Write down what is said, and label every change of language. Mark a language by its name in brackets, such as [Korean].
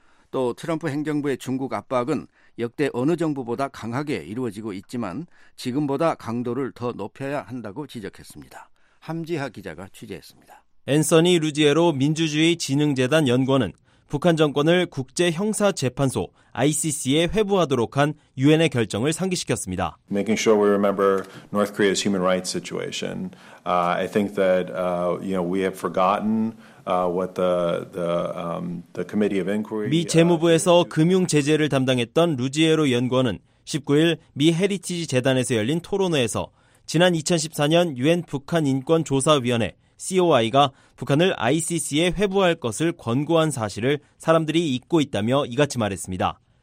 [Korean] 또 트럼프 행정부의 중국 압박은 역대 어느 정부보다 강하게 이루어지고 있지만 지금보다 강도를 더 높여야 한다고 지적했습니다. 함지하 기자가 취재했습니다. 앤서니 루지에로 민주주의 진흥재단 연구원은 북한 정권을 국제형사재판소 ICC에 회부하도록 한 UN의 결정을 상기시켰습니다. [English] Making sure we remember North Korea's human rights situation. I think that we have forgotten what the committee of inquiry. [Korean] 미 재무부에서 금융 제재를 담당했던 루지에로 연구원은 19일 미 헤리티지 재단에서 열린 토론회에서 지난 2014년 UN 북한 인권 조사위원회 COI가 북한을 ICC에 회부할 것을 권고한 사실을 사람들이 잊고 있다며 이같이 말했습니다.